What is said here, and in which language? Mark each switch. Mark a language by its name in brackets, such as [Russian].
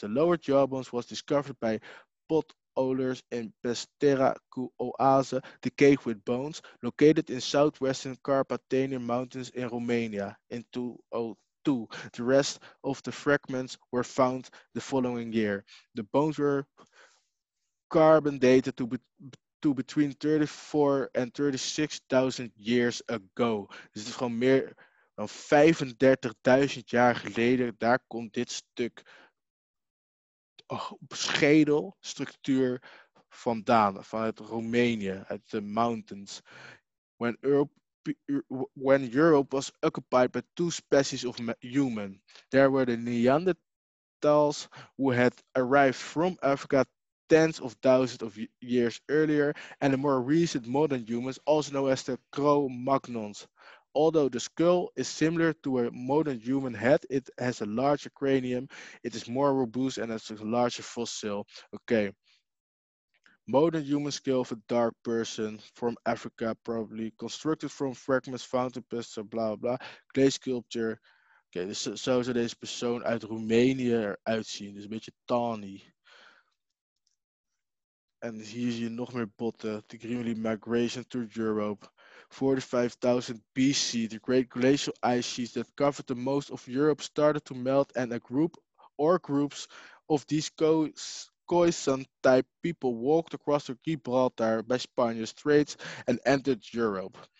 [English] The lower jawbones was discovered by potholders in Pestera Cu Oase, the cave with bones, located in southwestern Carpathian Mountains in Romania in 2002. The rest of the fragments were found the following year. The bones were carbon dated to between 34 and 36,000 years ago. [Dutch] Dus het is gewoon meer Dan 35.000 jaar geleden, daar komt dit stuk schedelstructuur vandaan, vanuit Roemenië, uit de mountains. [English] When Europe was occupied by two species of human, there were the Neanderthals who had arrived from Africa tens of thousands of years earlier, and the more recent modern humans, also known as the Cro-Magnons. Although the skull is similar to a modern human head, it has a larger cranium, it is more robust and has a larger fossil. Okay. Modern human skull of a dark person from Africa, probably constructed from fragments, fountain pests, blah blah, clay sculpture. [Dutch] Okay, dus zo zou deze persoon uit Roemenië eruit zien. Dus een beetje tawny. En hier zie je nog meer botten. [English] The Grimly Migration to Europe. 45.000 BC, the great glacial ice sheets that covered the most of Europe started to melt, and a group or groups of these Khoisan-type people walked across the Gibraltar by Spanish Straits and entered Europe.